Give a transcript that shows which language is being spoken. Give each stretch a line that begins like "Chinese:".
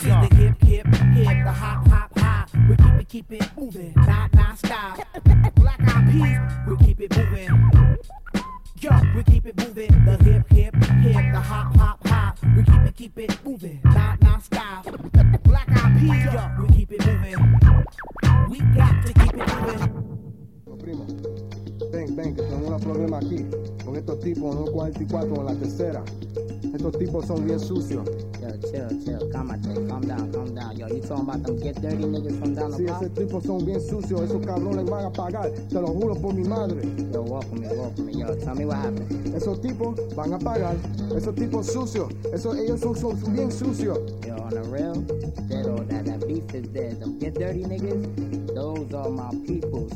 English: This is the hip, hip, hip, the hop, hop, hop. We keep it moving, not stop. Black Eyed Peas, we keep it moving. Yo, we keep it moving, the hip, hip, hip, the hop, hop, hop. We keep it moving, not stop. Black Eyed Peas, yo, we keep it moving. We got to keep it moving.
Spanish: Primo, ven, que tengo un problema aquí con estos tipos, no 44, en la tercera. Estos tipos son bien sucios.
English: Yo, chill, calm down. Yo, you talking about them get dirty niggas from down the block?
Spanish: Sí, esos tipos son bien sucios, esos cabrones van a pagar, te lo juro por mi madre.
English: Yo, welcome me, yo, tell me what happened.
Spanish: Esos tipos van a pagar, esos tipos sucios, esos ellos son bien sucios.
English: Yo, on the real, that beef is dead. Them get dirty niggas, those are my people.